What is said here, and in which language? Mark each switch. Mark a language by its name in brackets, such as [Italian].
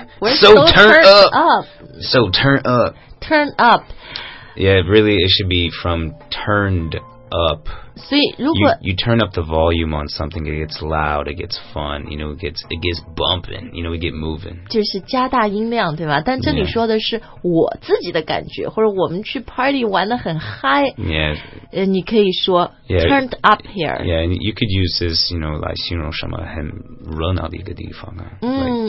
[English] So turned up. Yeah, really, it should be from turned up. [Chinese] 所以如果 [English] you turn up the volume on something, it gets loud, it gets fun, you know, it gets bumping, you know, we get moving. [Chinese] 就是加大音量，对吧？但这里说的是我自己的感觉，或者我们去 party 玩得很 high. [English] Yeah. [Chinese] 你可以说 [English] turned up here. Yeah, and you could use this, you know, [Chinese] 来形容什么很热闹的一个地方啊。